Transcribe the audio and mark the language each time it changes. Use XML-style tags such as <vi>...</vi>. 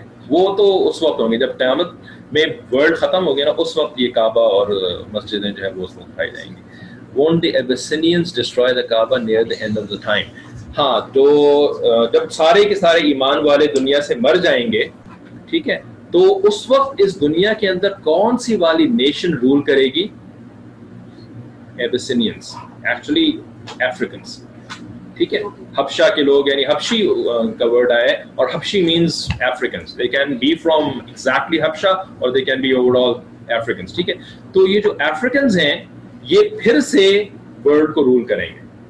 <ur>وہ تو اس وقت ہوں گے جب قیامت میں ورلڈ ختم ہو گیا نا, اس وقت یہ کعبہ اور مسجدیں جو ہے وہ اس وقت اٹھائی جائیں گی.</ur> <en>Won't the Abyssinians destroy the Kaaba near the end of the time?</en> <ur>ہاں, تو جب سارے کے سارے ایمان والے دنیا سے مر جائیں گے, ٹھیک ہے, تو اس وقت اس دنیا کے اندر کون سی والی نیشن رول کرے گی؟</ur> <en>Abyssinians, actually Africans,</en> <ur>ٹھیک ہے, حبشہ کے لوگ, یعنی حبشی کا ورڈ آیا ہے, اور حبشی means Africans,</ur> <en>they can be from exactly</en> <ur>حبشہ اور</ur> <en>they can be overall Africans,</en> <ur>ٹھیک ہے, تو یہ جو Africans ہیں یہ پھر سے ورلڈ کو رول کریں گے.</ur>